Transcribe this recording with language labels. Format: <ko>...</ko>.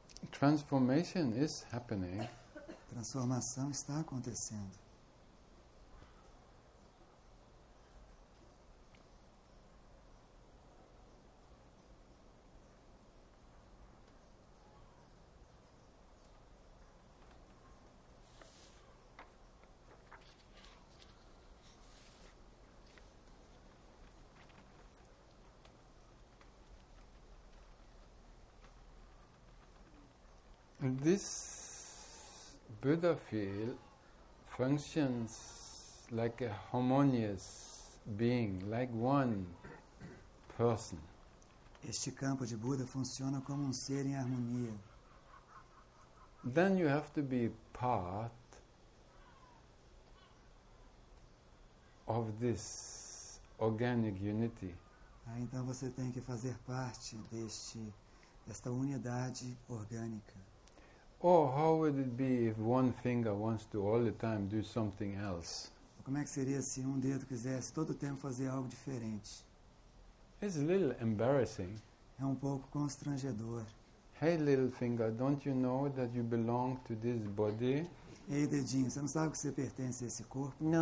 <en>Transformation is happening.</en> <pt>Transformação está acontecendo.</pt> <en>This Buddha field functions like a harmonious being, like one person.</en> <pt>Este campo de Buda funciona como um ser em harmonia.</pt> <en>Then you have to be part of this organic unity.</en> <pt>Ah, então você tem que fazer parte desta unidade orgânica.</pt> <en>Oh, how would it be if one finger wants to all the time do something else?</en> <pt>Como é que seria se dedo quisesse todo o tempo fazer algo diferente?</pt> <en>It's a little embarrassing.</en> <pt>É pouco constrangedor.</pt> <en>Hey, little finger, don't you know that you belong to this body?</en> <pt>Ei, dedinho, você não sabe que você pertence a esse corpo?</pt>